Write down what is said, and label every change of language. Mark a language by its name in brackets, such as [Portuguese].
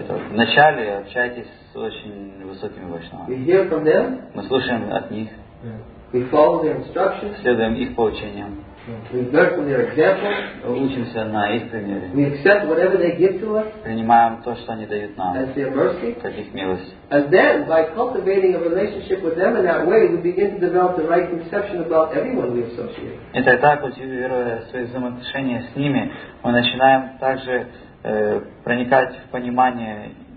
[Russian] Вначале общайтесь с очень высокими вайшнавами. Мы слушаем от них. [English] We follow their instructions. [Russian] Следуем их поучениям. [English] We learn from their example. [Russian] Учимся на их примере. [English] We accept whatever they give to us. [Russian] Принимаем то, что они дают нам. [English] As their mercy. [Russian] Как их милость. [English] And then, by cultivating a relationship with them in that way, we begin to develop the right conception about everyone we associate. [Russian] И так, культивируя свои взаимоотношения с ними, мы начинаем также проникать в понимание.